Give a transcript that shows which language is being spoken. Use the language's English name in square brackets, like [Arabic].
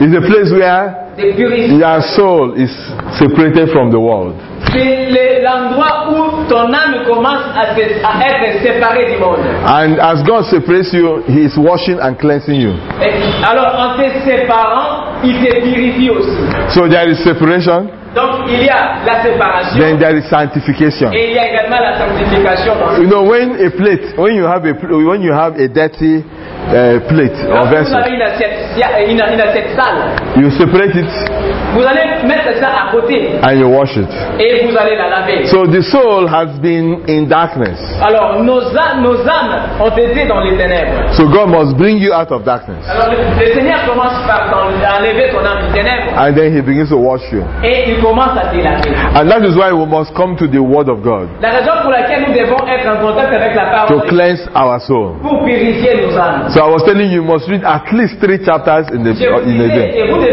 [English] It's the place where your soul is separated from the world. [French] C'est l'endroit où ton âme commence à être séparée du monde. [English] And as God separates you, he is washing and cleansing you. [French] Alors en te séparant, il te purifie aussi. [English] So there is separation. [French] Donc il y a la séparation. [English] Then there is sanctification. [French] Et il y a également la sanctification. [English] You know, when a plate, when you have a dirty plate or vessel, [French] vous avez une assiette sale. [English] You separate it. [French] Vous allez mettre ça à côté. [English] And you wash it. [French] Et vous allez la laver. [English] So the soul has been in darkness. [French] Alors nos âmes ont été dans les ténèbres. [English] So God must bring you out of darkness. [French] Alors le Seigneur commence par enlever ton âme des ténèbres. [English] And then he begins to wash you. [French] Et il commence à te laver. [English] And that is why we must come to the Word of God. [French] La raison pour laquelle nous devons être en contact avec la parole. [English] To cleanse our soul. [French] Pour purifier nos âmes. [English] So I was telling you, you must read at least 3 chapters in the day.